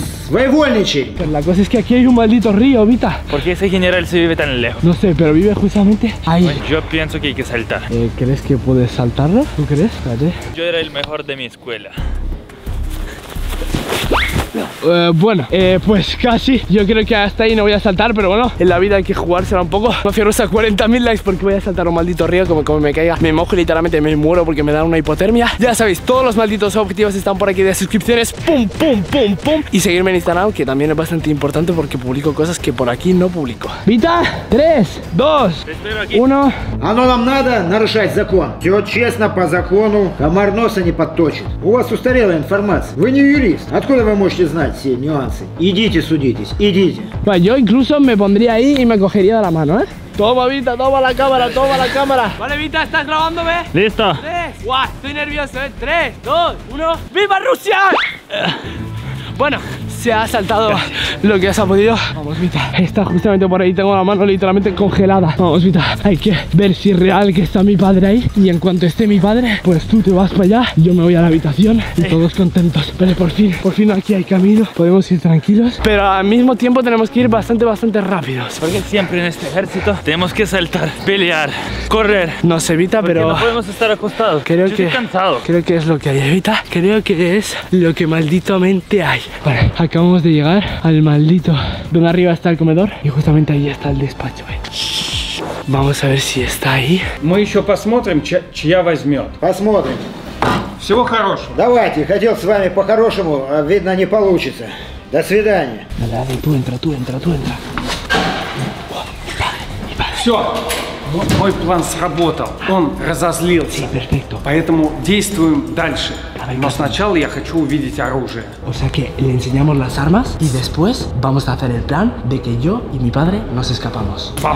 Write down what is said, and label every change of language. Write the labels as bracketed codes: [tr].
[ru] Своевольничай! [es] La cosa es que aquí hay un maldito río, Vita. ¿Por qué ese general se vive tan lejos? No sé, pero vive justamente ahí. Pues yo pienso que hay que saltar. ¿Crees que puedes saltarlo? ¿Tú crees? Espérate. Yo era el mejor de mi escuela. Bueno, pues casi. Yo creo que hasta ahí no voy a saltar, pero bueno, en la vida hay que jugársela un poco. Mafia rusa, 40.000 likes porque voy a saltar un maldito río. Como me caiga, me mojo literalmente, me muero porque me da una hipotermia. Ya sabéis, todos los malditos objetivos están por aquí de suscripciones. Pum, pum, pum, pum. Y seguirme en Instagram, que también es bastante importante porque publico cosas que por aquí no publico. Vita, 3, 2, 1. [ru] А ну нам надо нарушать закон. Все честно, по закону. Комар носа не подточит. У вас устарела информация. Вы не юрист. Откуда вы можете знать все нюансы? Идите судитесь, идите. [es] Yo incluso me pondría ahí y me cogería de la mano, ¿eh? Toma, Vita, toma la cámara, toma la cámara. Vale, Vita, ¿estás grabándome? Listo. Tres. Guau, estoy nervioso, ¿eh? Tres, dos, uno. ¡Viva Rusia! Bueno, se ha saltado lo que se ha podido. Vamos, Vita, está justamente por ahí. Tengo la mano literalmente congelada. Vamos, Vita, hay que ver si es real que está mi padre ahí. Y en cuanto esté mi padre, pues tú te vas para allá, yo me voy a la habitación y todos contentos. Pero por fin aquí hay camino. Podemos ir tranquilos, pero al mismo tiempo tenemos que ir bastante, bastante rápidos, porque siempre en este ejército tenemos que saltar, pelear, correr. No sé, Vita, pero no podemos estar acostados. Creo que estoy cansado. Creo que es lo que hay, Vita. Creo que es lo que maldito mente hay. Vale, acabamos de llegar al maldito. Donde arriba está el comedor y justamente ahí está el despacho, ¿eh? Vamos a ver si está ahí. [ru] Мы ещё посмотрим, чья возьмёт. Посмотрим. Всего хорошего. Давайте, хотел с вами по-хорошему, а видно не получится. До свидания. Давай, ты [es] entra, tú entra, tú entra. [ru] Всё. Мой план сработал. Он разозлился. [es] Perfecto. [ru] Поэтому действуем дальше. Но сначала я хочу увидеть оружие. [es] O sea que le enseñamos las armas y después vamos a hacer el plan de que yo y mi padre nos escapamos.